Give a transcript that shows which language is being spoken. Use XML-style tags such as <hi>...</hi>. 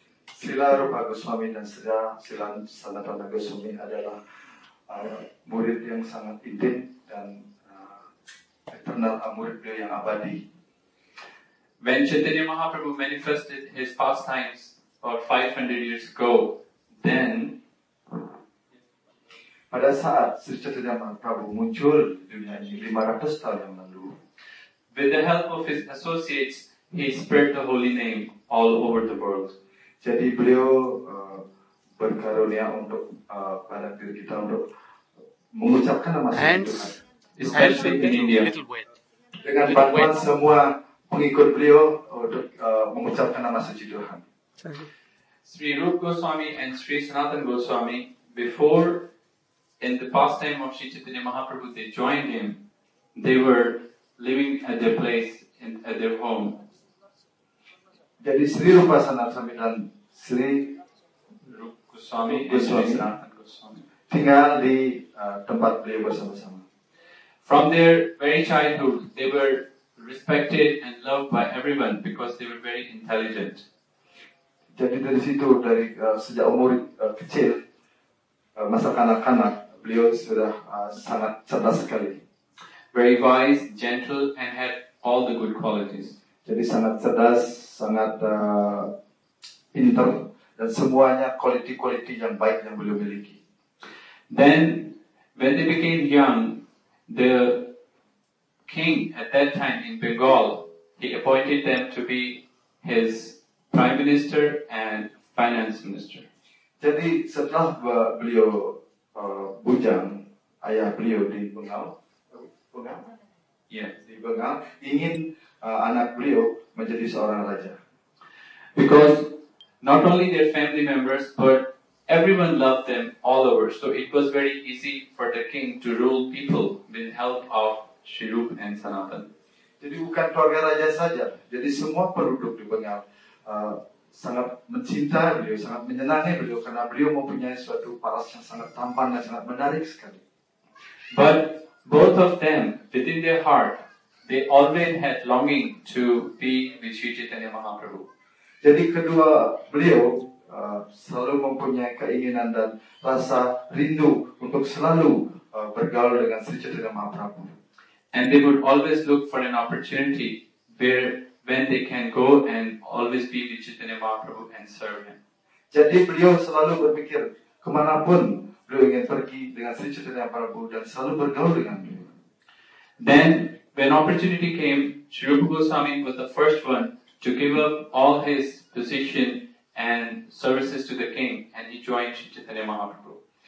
<id>Srila Rupa Goswami dan Srila Sanatana Goswami adalah murid yang sangat intim dan eternal murid beliau yang abadi.</id> <en>When Chaitanya Mahaprabhu manifested his pastimes about 500 years ago, then</en> <id>pada saat Sri Chaitanya Mahaprabhu muncul dunia ini 500 tahun yang lalu,</id> <en>with the help of his associates, he spread the holy name all over the world.</en> <id>Jadi beliau berkarunia untuk pada diri kita untuk mengucapkan nama Tuhan,</id> <en>especially in India,</en> <id>dengan bantuan semua pengikut beliau untuk mengucapkan nama suci Tuhan.</id> <en>Sri Rupa Goswami and Sri Sanatana Goswami, before, in the pastime of Sri Chaitanya Mahaprabhu, they joined him, they were living at their place, at their home.</en> <id>Jadi Sri Rupa Sanatana dan Sri Rupa Goswami, Goswami, Sanatana Goswami tinggal di tempat beliau bersama-sama.</id> <en>From their very childhood, they were respected and loved by everyone because they were very intelligent.</en> <id>Jadi dari situ, dari sejak umur kecil, masa kanak-kanak, beliau sudah sangat cerdas sekali.</id> <en>Very wise, gentle, and had all the good qualities.</en> <id>Jadi sangat cerdas, sangat pintar, dan semuanya quality-quality yang baik yang beliau miliki.</id> <en>Then, when they became young, the king at that time in Bengal, he appointed them to be his prime minister and finance minister.</en> <id>Jadi setelah beliau bujang, ayah beliau di Bengal, di Bengal ingin anak beliau menjadi seorang raja.</id> <en>Because not only their family members, but everyone loved them all over. So it was very easy for the king to rule people with help of Sri Rupa and Sanatana.</en> <id>Jadi bukan keluarga raja saja, jadi semua penduduk di Bengal sangat mencintai beliau, sangat menyenangi beliau karena beliau mempunyai suatu paras yang sangat tampan dan sangat menarik sekali.</id> <en>But both of them, within their heart, they always had longing to be with Sri Chaitanya Mahaprabhu.</en> <id>Jadi kedua beliau selalu mempunyai keinginan dan rasa rindu untuk selalu bergaul dengan Sri Chaitanya Mahaprabhu.</id> <en>And they would always look for an opportunity where when they can go and always be with Chaitanya Mahaprabhu and serve him.</en> <id>Jadi beliau selalu berpikir kemanapun beliau ingin pergi dengan Sri Chaitanya Mahaprabhu dan selalu bergaul dengan beliau.</id> <en>Then when opportunity came, Sri Rupa Goswami was the first one to give up all his position and services to the king and he joined Sri Chaitanya Mahaprabhu.</en>